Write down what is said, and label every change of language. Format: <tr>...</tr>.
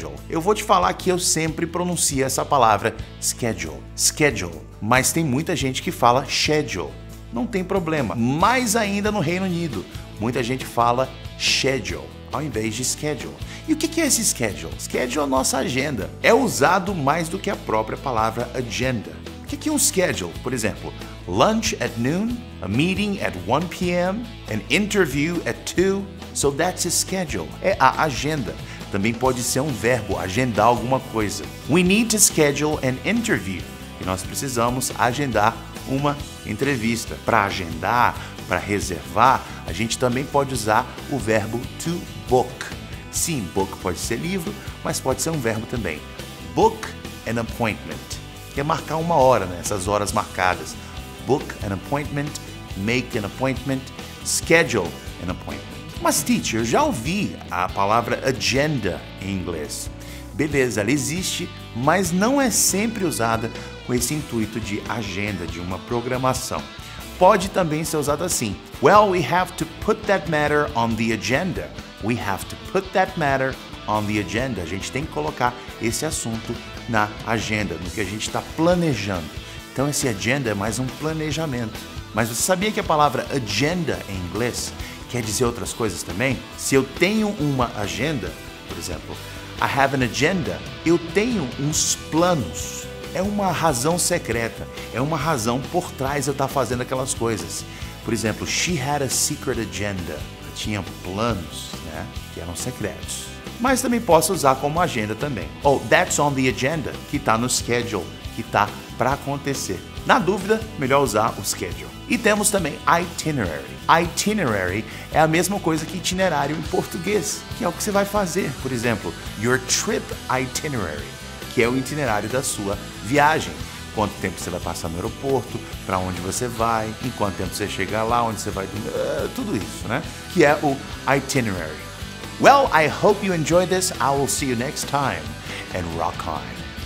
<pt>Eu vou te falar que eu sempre pronuncio essa palavra schedule, mas tem muita gente que fala schedule. Não tem problema. Mais ainda no Reino Unido, muita gente fala schedule ao invés de schedule. E o que é esse schedule? Schedule é a nossa agenda. É usado mais do que a própria palavra agenda. O que é um schedule? Por exemplo,</pt> <en>lunch at noon, a meeting at 1 p.m., an interview at 2. So that's a schedule.</en> <pt>É a agenda. Também pode ser um verbo, agendar alguma coisa.</pt> <en>We need to schedule an interview.</en> <pt>E nós precisamos agendar uma entrevista. Para agendar, para reservar, a gente também pode usar o verbo to book. Sim, book pode ser livro, mas pode ser um verbo também.</pt> <en>Book an appointment,</en> <pt>que é marcar uma hora, né? Essas horas marcadas.</pt> <en>Book an appointment, make an appointment, schedule an appointment.</en> <pt>Mas, teacher, eu já ouvi a palavra agenda em inglês. Beleza, ela existe, mas não é sempre usada com esse intuito de agenda, de uma programação. Pode também ser usado assim.</pt> <en>Well, we have to put that matter on the agenda. We have to put that matter on the agenda.</en> <pt>A gente tem que colocar esse assunto na agenda, no que a gente está planejando. Então, esse agenda é mais um planejamento. Mas você sabia que a palavra agenda em inglês quer dizer outras coisas também? Se eu tenho uma agenda, por exemplo,</pt> <en>I have an agenda,</en> <pt>eu tenho uns planos. É uma razão secreta, é uma razão por trás de eu estar fazendo aquelas coisas. Por exemplo,</pt> <en>she had a secret agenda.</en> <pt>Ela tinha planos, né, que eram secretos. Mas também posso usar como agenda também.</pt> <en>Oh, that's on the agenda,</en> <pt>que está no schedule, que está para acontecer. Na dúvida, melhor usar o schedule. E temos também itinerary. Itinerary é a mesma coisa que itinerário em português, que é o que você vai fazer. Por exemplo,</pt> <en>your trip itinerary,</en> <pt>que é o itinerário da sua viagem. Quanto tempo você vai passar no aeroporto, para onde você vai, em quanto tempo você chega lá, onde você vai, tudo isso, né? Que é o itinerary.</pt> <en>Well, I hope you enjoyed this. I will see you next time. And rock on.</en>